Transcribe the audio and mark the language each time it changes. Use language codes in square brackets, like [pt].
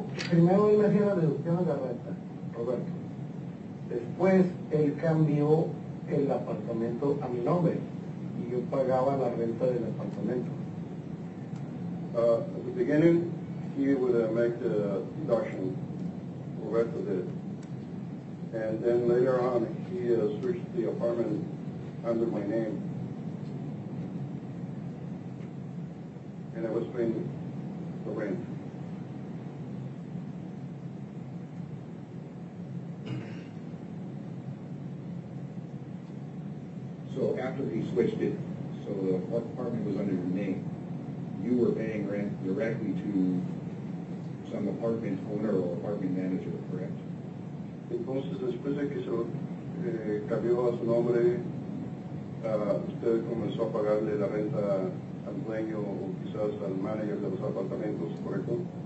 [es] Primero él me hacía la deducción de la renta, Roberto. Después él cambió el apartamento a mi nombre. Yo pagaba la renta del apartamento. [en] At the beginning, he would make the deduction, Roberto did. And then later on, he switched the apartment under my name. And I was paying the rent. So after he switched it, so the apartment was under your name, you were paying rent directly to some apartment owner or apartment manager, correct? [es] Entonces, después de que se cambió a su nombre, usted comenzó a pagarle la renta al dueño o quizás al manager de los apartamentos, ¿correcto?